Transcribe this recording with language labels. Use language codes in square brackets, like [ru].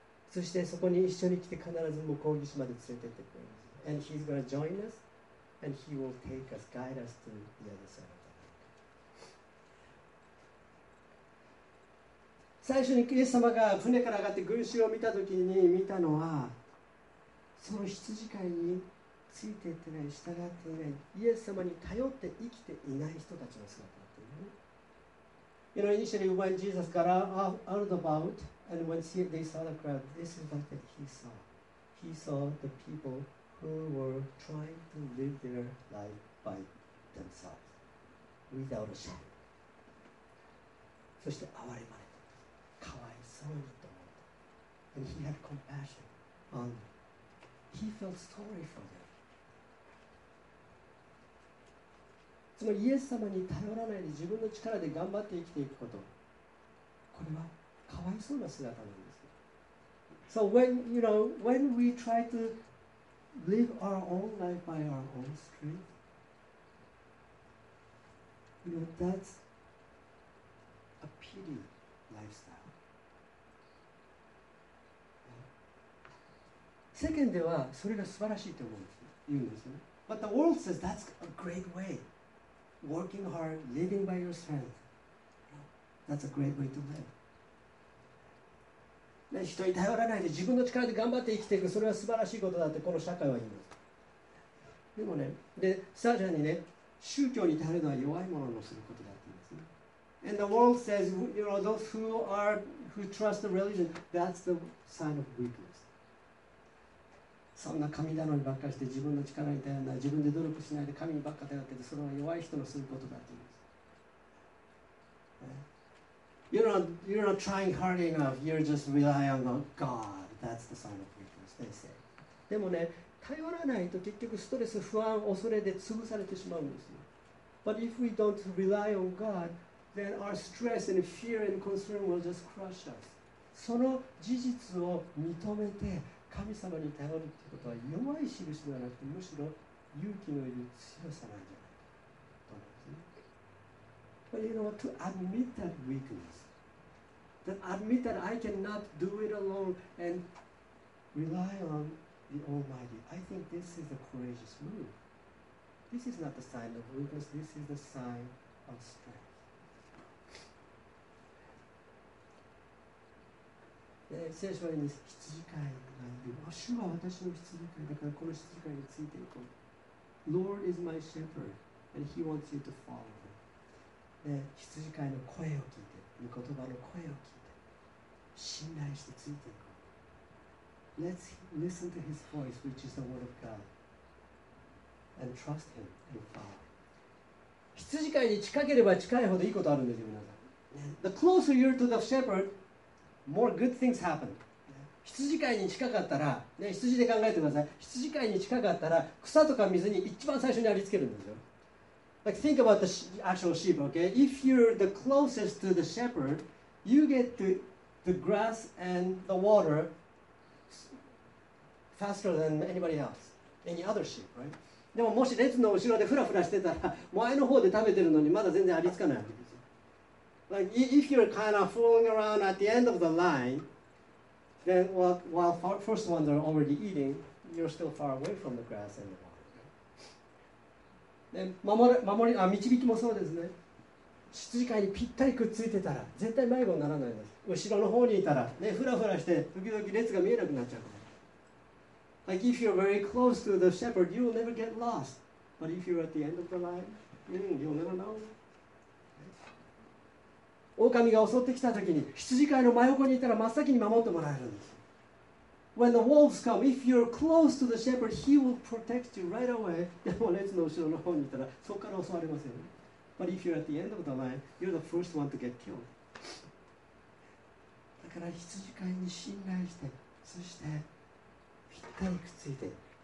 [ja] そしてそこに一緒に来て必ず向こう岸まで連れて行ってくれます。 [en] And he's going to join us, and he will take us, guide us to the other side of the lake. [ja] 最初にイエス様が船から上がって群衆を見た時に見たのは、その羊飼いについていってない、従っていない、イエス様に頼って生きていない人たちの姿だったよね。 [en] You know, initially when Jesus got out of the boat, and when they saw the crowd, this is what that he saw. He saw the people who were trying to live their life by themselves, without a shame. [ja] そして哀れまれた。かわいそうにと思った。 [en] And he had compassion on them. He felt sorry for them. [ja] つまりイエス様に頼らないで自分の力で頑張って生きていくこと、これはかわいそうな姿なんです。 [en] So when, you know, when we try to live our own life by our own strength, you know, that's a pity lifestyle. Right? [ja] 世間ではそれが素晴らしいと思うんですよ。言うんですよね。 [en] But the world says that's a great way. Working hard, living by your strength. That's a great way to live. [ja] 人に頼らないで自分の力で頑張って生きていく、それは素晴らしいことだってこの社会は言います。でもね、で、さらにね、宗教に頼るのは弱いもののすることだって言いますね。 [en] And the world says, you know, those who trust the religion, that's the sign of weakness. [ja] そんな神頼みばっかりして自分の力に頼んだ、自分で努力しないで神にばっか頼ってて、それは弱い人のすることだと言います。 [en] Right? You're not trying hard enough. You're just relying on God. That's the sign of weakness, they say. [ja] でもね、頼らないと結局ストレス、不安、恐れで潰されてしまうんですよ。 [en] But if we don't rely on God, then our stress and fear and concern will just crush us. [ja] その事実を認めて、神様に頼るということは弱い印ではなくて、むしろ勇気のいる強さなんじゃないかと思うんですね。 [en] But you know, to admit that weakness, to admit that I cannot do it alone and rely on the Almighty, I think this is a courageous move. This is not the sign of weakness, this is the sign of strength. [ja] 聖書に羊飼いがいる。主は私の羊飼いだから、この羊飼いについていこう。 [en] Lord is my shepherd, and he wants you to follow him. [ja] で、羊飼いの声を聞いて、御言葉の声を聞いて、信頼してついていこう。 [en] Let's listen to his voice, which is the word of God, and trust him and follow. [ja] 羊飼いに近ければ近いほどいいことあるんですよ、皆さん。 [en] The closer you're to the shepherd,More good things happen. [ja] 羊飼いに近かったら、ね、羊で考えてください。羊飼いに近かったら、草とか水に一番最初にありつけるんですよ。 [en] Like, think about the actual sheep, okay? If you're the closest to the shepherd, you get to the grass and the water faster than anybody else, any other sheep, right? [ja] でももし列の後ろでフラフラしてたら、前の方で食べてるのにまだ全然ありつかない。 [en] Like, if you're kind of fooling around at the end of the line, then while first ones are already eating, you're still far away from the grass and the water. [ja] で、導きもそうですね。羊飼いにぴったりくっついてたら絶対迷子にならないです。後ろの方にいたら、ね、フラフラして時々列が見えなくなっちゃうから。 [en] Like if you're very close to the shepherd, you'll never get lost. But if you're at the end of the line, you'll never know. [ja] 狼が襲ってきた時に羊飼いの真横にいたら真っ先に守ってもらえるんです。 [en] When the wolves come, if you're close to the shepherd, he will protect you right away. [ja] でも列の後ろの方にいたらそこから襲われますよね。 [en] But if you're at the end of the line, you're the first one to get killed. [ja] だから羊飼いに信頼して、そしてぴったりくっついていこう。